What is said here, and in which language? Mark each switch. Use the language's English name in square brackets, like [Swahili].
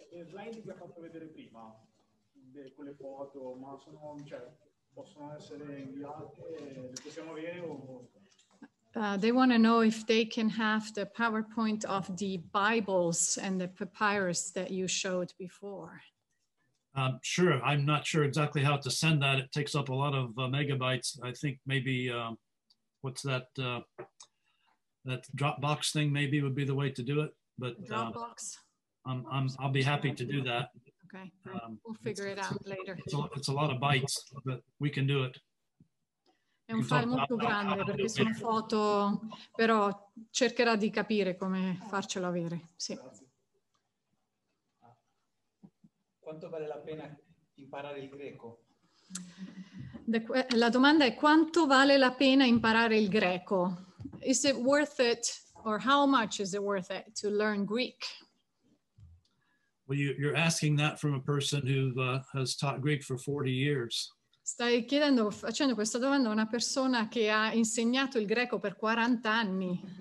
[Italian] Slide che ha fatto vedere prima con le foto, ma sono, cioè, possono essere inviate, le possiamo avere o [English] They want to know if they can have the PowerPoint of the Bibles and the papyrus that you showed before. Sure, I'm not sure exactly how to send that. It takes up a lot of megabytes. I think maybe what's that that Dropbox thing maybe would be the way to do it, but Dropbox. I'll be happy to do that. Okay. We'll figure it out later. It's a lot of bytes, but we can do it. [Italian] È un file molto grande perché sono foto, però cercherà di capire come farcelo avere. Sì. Quanto vale la pena imparare il greco? La domanda è quanto vale la pena imparare il greco? [English] Is it worth it or how much is it worth it to learn Greek? Well, you're asking that from a person who has taught Greek for 40 years. [Italian] Stai chiedendo, facendo questa domanda a una persona che ha insegnato il greco per 40 anni.